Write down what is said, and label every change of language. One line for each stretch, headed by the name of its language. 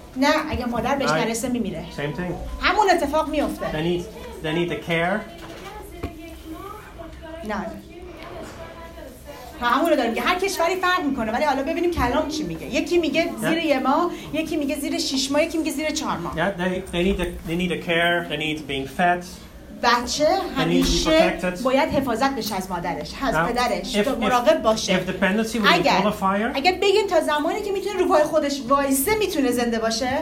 Persian: نه، اگر مادر بهش نرسه میمیره.
English: Same thing.
Persian: همون اتفاق میفته.
English: They need the care.
Persian: نه. ما همون رو داریم که هر کشوری فرق میکنه، ولی حالا ببینیم کلام چی میگه. یکی میگه زیر یه ماه، یکی میگه زیر 6 ماه، یکی میگه زیر 4 ماه.
English: Yeah, they need a care, they need being fed.
Persian: بچه همیشه باید حفاظت بشه از مادرش، از پدرش، مراقب باشه.
English: If dependency would qualify.
Persian: اگر بگیم تا زمانی که میتونه رو پای خودش وایسه میتونه زنده باشه.